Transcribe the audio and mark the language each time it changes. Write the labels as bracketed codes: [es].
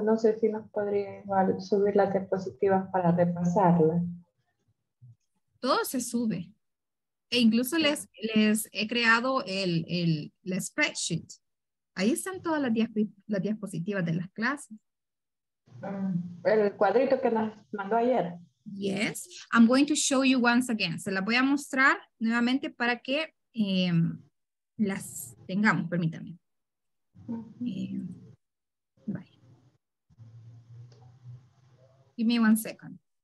[es] No sé si nos podría igual subir las diapositivas para repasarlas. Todo se sube. E incluso les he creado el spreadsheet. Ahí están todas las diapositivas de las clases. El cuadrito que nos mandó ayer. [en] Yes, I'm going to show you once again. [es] Se la voy a mostrar nuevamente para que las tengamos, permítanme. [en] Bye. Give me one second.